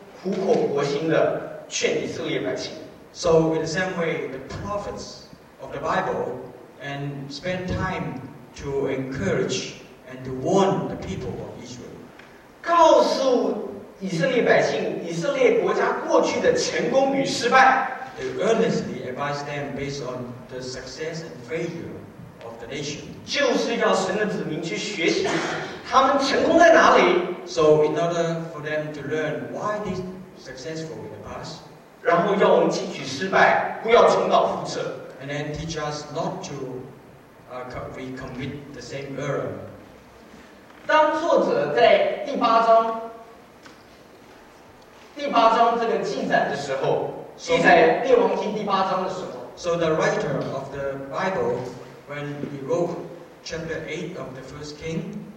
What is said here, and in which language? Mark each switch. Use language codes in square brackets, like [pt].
[zh] 同样的，神借着先知和使徒，不断的在圣经当中苦口婆心的劝以色列百姓。 [en] So in the same way, the prophets of the Bible and spend time to encourage and to warn the people of Israel. [zh] 告诉以色列百姓，以色列国家过去的成功与失败。 [en] They earnestly advise them based on the success and failure of the nation. [zh] 就是要神的子民去学习他们成功在哪里。 [en] So in order for them to learn why they successful in the past. [zh] 然后要我们汲取失败，不要重蹈覆辙。 [en] And then teach us not to recommit the same error. [zh] 当作者在第八章这个记载的时候。 [en] So the writer of the Bible, when he wrote chapter 8 of the first king,